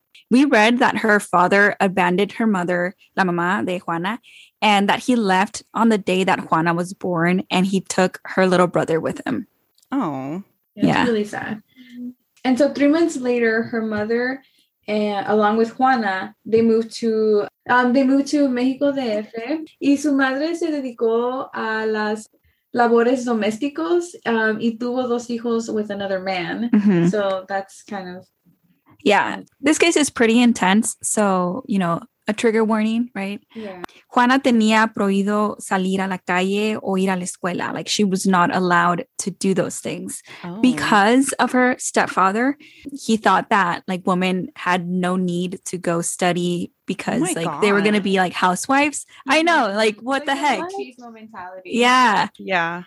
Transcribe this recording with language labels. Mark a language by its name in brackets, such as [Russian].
[English] We read that her father abandoned her mother, [Spanish] la mamá de Juana, [English] and that he left on the day that Juana was born, and he took her little brother with him. Oh. Yeah, it's really sad. And so 3 months later, her mother, along with Juana, they moved to Mexico DF. [Spanish] Y su madre se dedicó a las labores domésticos y tuvo dos hijos [English] with another man. Mm-hmm. So that's kind of. Yeah, this case is pretty intense. So, you know, a trigger warning, right? Yeah. [Spanish] Juana tenía prohibido salir a la calle o ir a la escuela. [English] Like, she was not allowed to do those things. Oh. Because of her stepfather, he thought that, like, women had no need to go study because, oh, like, God, they were going to be, like, housewives. Yeah. I know. Like, what, like, the heck? Mentality. Yeah. Yeah.